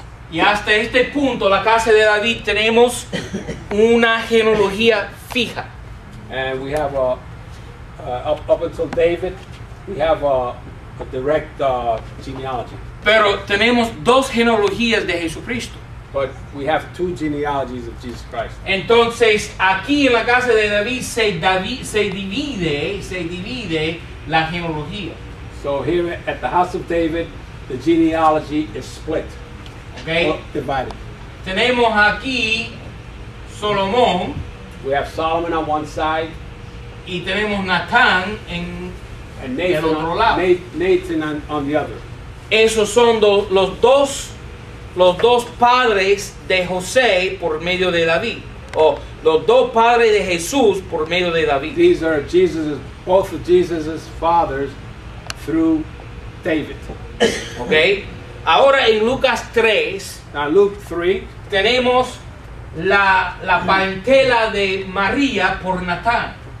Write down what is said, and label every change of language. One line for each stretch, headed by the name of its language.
Spanish: Y hasta este punto, la casa de David, tenemos una genealogía fija.
English: And we have up until David, we have a direct genealogy.
Spanish: Pero tenemos dos genealogías de Jesucristo.
English: But we have two genealogies of Jesus Christ.
Spanish: Entonces, aquí en la casa de David se divide la genealogía.
English: So here at the house of David, the genealogy is split. Okay. Divided.
Spanish: Tenemos aquí Solomón.
English: We have Solomon on one side.
Spanish: Y tenemos Natán en el otro lado.
English: Nathan on the other.
Spanish: Esos son los dos padres de José por medio de David. O los dos padres de Jesús por medio de David.
English: These are both of Jesus' fathers through David.
Spanish: Okay. Ahora en Lucas 3,
English: now Luke 3,
Spanish: tenemos la parentela de María por Natán.